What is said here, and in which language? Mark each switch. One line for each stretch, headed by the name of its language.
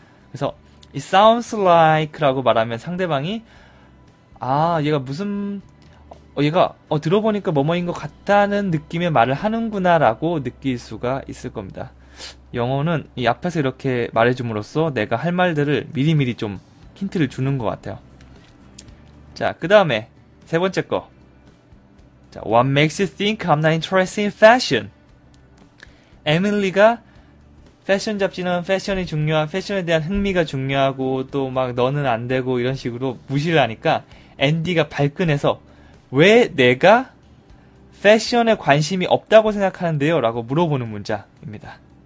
Korean: 그래서
English: it sounds like
Korean: 라고 말하면 상대방이 아 얘가 무슨 얘가 들어보니까 뭐뭐인 것 같다는 느낌의 말을 하는구나 라고 느낄 수가 있을 겁니다. 영어는 이 앞에서 이렇게 말해줌으로써 내가 할 말들을 미리미리 좀 힌트를 주는 것 같아요. 자, 그 다음에 세 번째 거.
English: 자, What makes you think I'm not interested in fashion?
Korean: 에밀리가 패션 잡지는 패션이 중요한, 패션에 대한 흥미가 중요하고 또 막 너는 안 되고 이런 식으로 무시를 하니까 앤디가 발끈해서 왜 내가 패션에 관심이 없다고 생각하는데요? 라고 물어보는 문자입니다.